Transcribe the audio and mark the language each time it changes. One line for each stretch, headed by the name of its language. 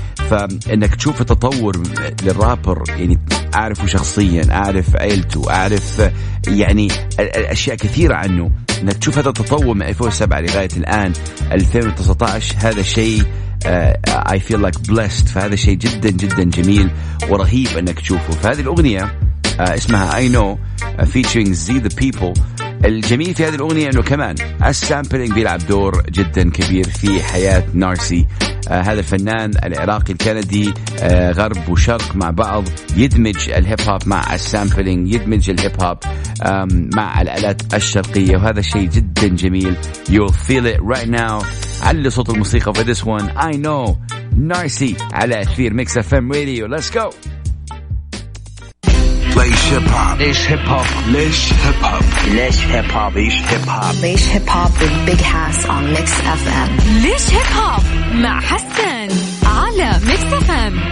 Arabic: فإنك تشوف تطور للرابر، يعني أعرفه شخصيا، أعرف عيلته، أعرف يعني الأشياء كثيرة عنه. إنك تشوف هذا التطور من 2007 لغاية الآن 2019، هذا شيء
English: I feel like blessed.
Arabic: فهذا شيء جدا جدا جميل ورهيب إنك تشوفه. فهذه الأغنية اسمها I Know featuring Z the People. الجميل في هذه الأغنية أنه كمان السامبلينج بيلعب دور جدا كبير في حياة نارسي. هذا الفنان العراقي الكندي، غرب وشرق مع بعض، يدمج الهيب هوب مع السامبلينج، يدمج الهيب هوب مع الآلات الشرقية، وهذا شيء جدا جميل.
English: You'll feel it right now.
Arabic: علي صوت الموسيقى
English: for this one.
Arabic: I know نارسي على أثير Mix FM Radio.
English: Let's go. Laish Hip Hop. Laish Hip Hop. Laish Hip Hop. Laish Hip Hop. Laish Hip Hop. Laish Hip Hop with Big Hass on Mix FM.
Arabic: Laish Hip Hop مع حسن على Mix FM.